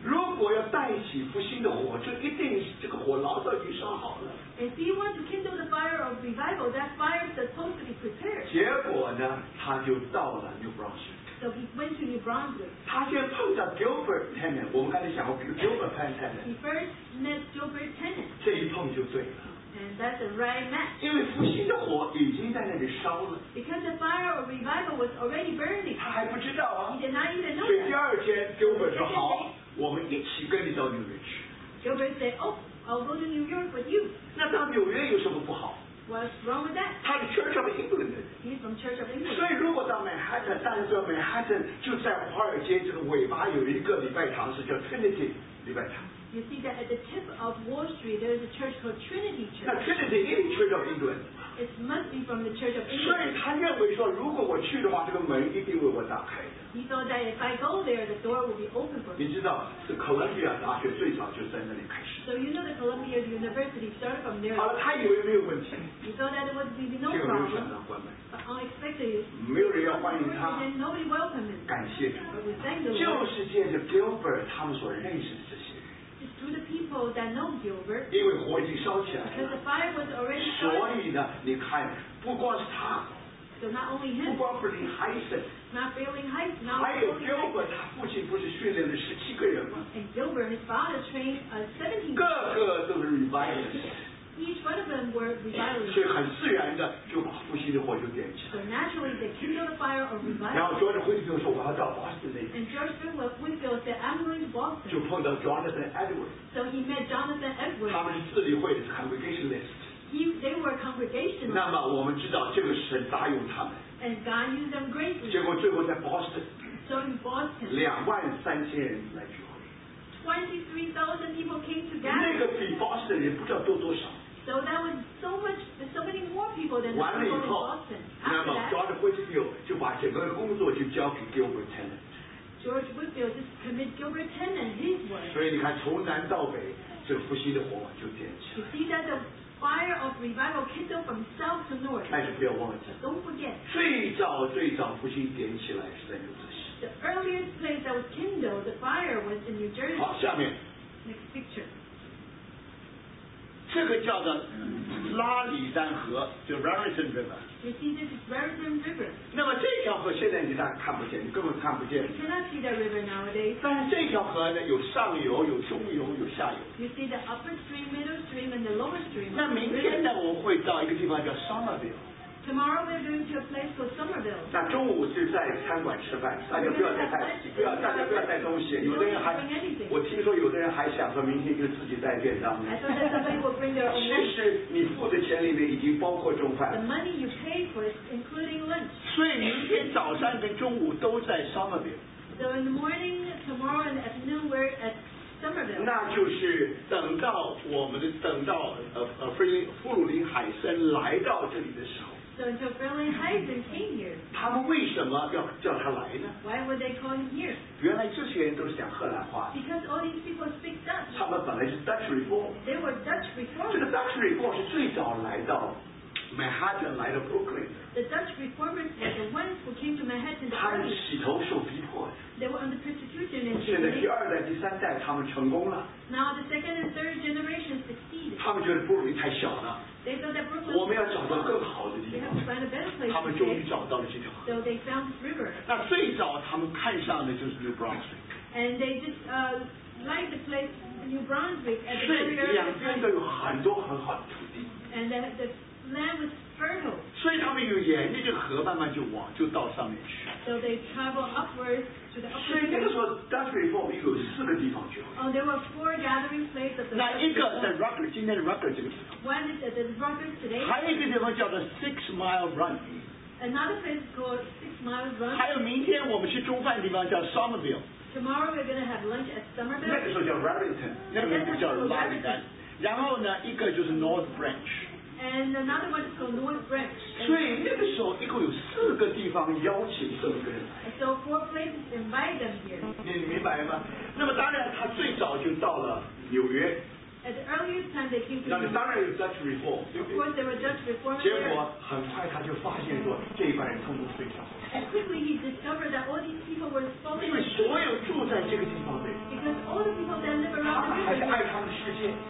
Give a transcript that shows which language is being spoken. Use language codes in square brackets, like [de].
[zh] 如果要带起复兴的火，就一定是这个火老早就烧好了。 [en] If he wants to kindle the fire of revival, that fire is supposed to be prepared. [zh] 结果呢，他就到了 New Brunswick. [en] So he went to New Brunswick. [zh] 他先碰到 Gilbert Tennant， 我们刚才讲过 Gilbert Tennant。 [en] He first met Gilbert Tennant. [zh] 这一碰就对了。 [en] And that's the right match. [zh] 因为复兴的火已经在那里烧了。 [en] Because the fire of revival was already burning. [zh] 他还不知道啊。 [en] He did not even know. [zh] 所以第二天 ，Gilbert 说好，我们一起跟你到纽约去。 [en] Gilbert said, "Oh, I'll go to New York with you." [zh] 那到纽约有什么不好 [en] ？What's wrong with that? [zh] 他是 Church of England. [en] He's from Church of England. [zh] 所以如果到曼哈顿，但是曼哈顿就在华尔街这个尾巴有一个礼拜堂，是叫 Trinity 礼拜堂。 [en] You see that at the tip of Wall Street, there is a church called Trinity Church. 那 Trinity is Church of England. It must be from the Church of England. [zh] 所以他认为说，如果我去的话，这个门一定为我打开的。 [en] He thought that if I go there, the door will be open for me. [zh] 你知道，是 Columbia 大学最早就在那里开始。 [en] So you know the Columbia University started from there. [zh] 好了，他以为没有问题。 [en] He thought that there would be no problem. [zh] 结果没有想到关门。 [en] Unexpectedly, [zh] 没有人要欢迎他。 [en] Nobody welcomed him. [zh] 感谢主。 [en] But we thank the Lord. [zh] 就是借着 Gilbert 他们所认识的这些。 [en] To the people that know Gilbert, [zh] 因为火已经烧起来了 [en] because the fire was already started. [zh] 所以呢，你看，不光是他， [en] so not only him, [zh] 不光是林海森， [en] not failing heights, not [zh] 还有 Gilbert， 他父亲不是训练了十七个人吗？ [en] And Gilbert, his father trained 17. [zh] 个个都是 revivalists. [en] Each one of them were revivalists. [zh] 所以很自然的就把复兴的火就点起来。 [en] So naturally, they kindled the fire of revival. [zh] 然后 George Whitfield 说我要到 Boston 那。 [en] And George Whitfield said, I'm going to Boston. [zh] 就碰到 Jonathan Edwards. [en] So he met Jonathan Edwards. [zh] 他们是自理会的 congregationalist. [en] They were congregationalists. [zh] 那么我们知道这个神大用他们。 [en] And God used them greatly. [zh] 结果最后在 Boston. [en] So in Boston. [zh] 23,000人来聚会。 [en] 23,000 people came together. [zh] 那个比 Boston 人不知道多多少。 [en] So that was so much, so many more people than the people in Boston. After that, [zh] George Whitfield 就把整个工作就交给 Gilbert Tennant. [en] George Whitfield just commit Gilbert Tennant his work. [zh] 所以你看，从南到北，这复兴的火就点起来。 [en] You see that the fire of revival kindled from south to north. [zh] 但是不要忘记 [en] ，Don't forget. [zh] 最早复兴点起来是在纽泽西。 [en] The earliest place that was kindled the fire was in New Jersey. [zh] 好，下面。 [en] Next picture. [zh] 这个叫做拉里丹河，就 Raritan River。 [en] You see, this is Raritan River. [zh] 那么这条河现在你大看不见，你根本看不见。 [en] You cannot see the river nowadays. [zh] 但是这条河呢，有上游、有中游、有下游。 [en] You see the upper stream, middle stream, and the lower stream. [zh] 那明天呢，我会到一个地方叫 Somerville。 [en] Tomorrow we're going to a place called Somerville. [zh] 那中午是在餐馆吃饭，大家不要再带，大家不要带东西。有的人还，我听说有的人还想说明天就自己带便当呢。其实你付的钱里面已经包括中饭。 [en] The money you pay for is including lunch. [zh] 所以明天早上跟中午都在 Somerville. [en] So in the morning, tomorrow and afternoon we're at. [zh] 那就是等到我们的等到弗鲁林海森来到这里的时候。 [en] So until Franklin Heisen came here. [zh] 他们为什么要叫他来呢 [en] ？Why would they call him here？ [zh] 原来这些人都是讲荷兰话。 [en] Because all these people speak Dutch. [zh] 他们本来是 Dutch Reform. [en] They were Dutch Reform. [zh] 这个 Dutch Reform 是最早来到。Manhattan 来到 Brooklyn. [en] The Dutch reformers were the ones who came to Manhattan. [zh] 他们洗头受逼迫。 [en] They were under persecution. [zh] 现在第二代、第三代他们成功了。 [en] Now the second and third generation succeeded. [zh] 他们觉得布鲁林太小了。 [en] They thought that Brooklyn. [zh] 我们要找到更好的地方。 [en] They have to find a better place. [zh] 他们终于找到了这条河。 [en] So they found this river. [zh] 那最早他们看上的就是 New Brunswick. [en] And they just liked the place New Brunswick as a very good place. [zh] 是两边都有很多很好的土地。 [en] And then the land was fertile. [zh] 所以他们有沿着这河慢慢就往就到上面去。 [en] So they travel upwards to the upper. [zh] 所以那个时候 Dutch Reform 有四个地方聚会。 [en] Oh, there were four gathering places. [zh] 那一个在 Rutgers， 今天的 Rutgers 这个地方。 [en] One is at Rutgers today. [zh] 还有一个地方叫做 Six Mile Run。 [en] Another place called Six Mile Run. [zh] 还有明天我们去中饭的地方叫 Somerville。 [en] Tomorrow we're going to have lunch at Somerville. [zh] 那个时候叫 Raritan， 那个不叫拉里丹。然后呢，一个就是 North Branch。 [en] And another one is called North Branch. [zh] 所以那个时候一共有四个地方邀请这个人。 [en] So four places invite them here. [zh] 你明白吗？那么当然，他最早就到了纽约。 [en] At the earliest time they came to [zh] Europe. 那当然有 Dutch Reform. [en] Of course, there were Dutch Reformers. [zh] 结果很快他就发现说这一帮人通通非常好。 [en] And quickly he discovered that all these people were falling. [zh] 因为所有住在这个地方的。 [en] Because all the people that live around. [zh] 他们还是爱他们的世界。